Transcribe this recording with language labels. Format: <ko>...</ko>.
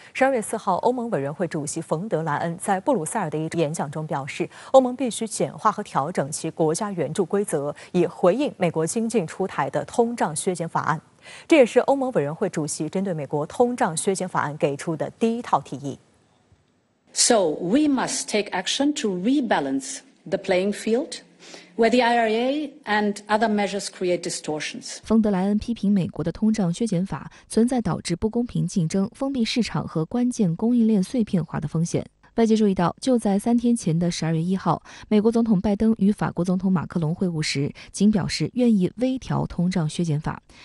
<zh>12月4号，欧盟委员会主席冯德莱恩在布鲁塞尔的一演讲中表示，欧盟必须简化和调整其国家援助规则，以回应美国经济出台的通胀削减法案。这也是欧盟委员会主席针对美国通胀削减法案给出的第一套提议。</zh> <en>So we must take action to rebalance the playing field. Where the IRA and other measures create distortions.</en> <zh>冯德莱恩批评美国的通胀削减法存在导致不公平竞争、封闭市场和关键供应链碎片化的风险。外界注意到，就在3天前的12月1号，美国总统拜登与法国总统马克龙会晤时，仅表示愿意微调通胀削减法。</zh>